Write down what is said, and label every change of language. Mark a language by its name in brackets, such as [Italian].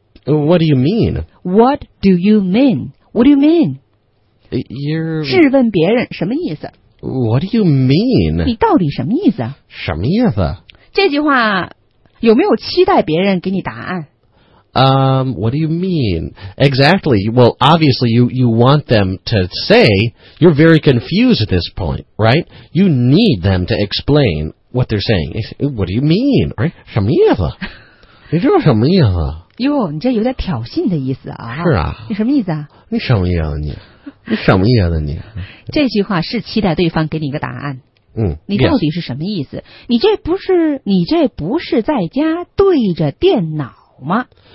[English] ？What do you mean? What do you mean? What do you mean? You're [Chinese] 质问别人什么意思？ [English] What do you mean? [Chinese] 你到底什么意思？什么意思？这句话有没有期待别人给你答案？ [English] What do you mean? Exactly. Well, obviously, you want them to say you're very confused at this point, right? You need them to explain what they're saying. What do you mean? Right? [Chinese] 什么意思？你这是什么意思？哟，你这有点挑衅的意思啊！是啊，你什么意思啊？你什么意思啊你？你什么意思你？这句话是期待对方给你一个答案。嗯，你到底是什么意思？ [English] Yes. [Chinese] 你这不是在家对着电脑吗